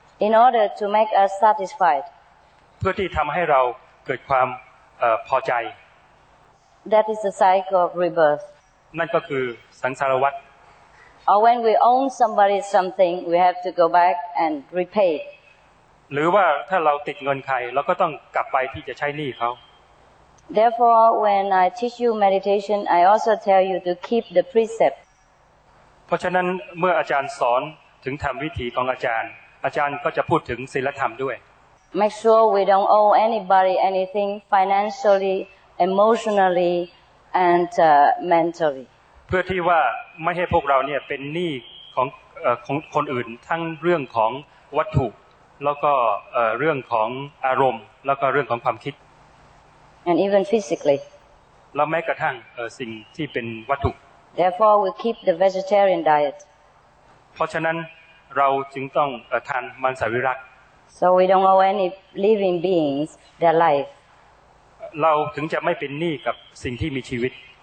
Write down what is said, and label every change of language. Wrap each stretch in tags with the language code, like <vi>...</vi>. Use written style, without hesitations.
<en>In order to make us satisfied.</en> <th>เพื่อที่ทำให้เราเกิดความพอใจ</th> <en>That is the cycle of rebirth</en> <th>นั่นก็คือสังสารวัฏ</th> <en>Or when we own somebody something we have to go back and repay</en> <th>หรือว่าถ้าเราติดเงินใครเราก็ต้องกลับไปที่จะใช้หนี้เขา</th> <en>Therefore when I teach you meditation I also tell you to keep the precept</en> <th>เพราะฉะนั้นเมื่ออาจารย์สอนถึงธรรมวิถีของอาจารย์ก็จะพูดถึงศีลธรรมด้วย</th> <en>Make sure we don't owe anybody anything financially, emotionally, and mentally.</en> <th>เพื่อที่ว่าไม่ให้พวกเราเนี่ยเป็นหนี้ของคนอื่นทั้งเรื่องของวัตถุแล้วก็เรื่องของอารมณ์แล้วก็เรื่องของความคิด</th> <en>And even physically.</en> <th>แล้วแม้กระทั่งสิ่งที่เป็นวัตถุ</th> <en>Therefore we keep the vegetarian diet.</en> <th>เพราะฉะนั้นเราจึงต้องทานมังสวิรัติ</th> <en>So we don't owe any living beings their life.</en> <th>เราถึงจะไม่เป็นหนี้กับสิ่งที่มีชีวิต</th>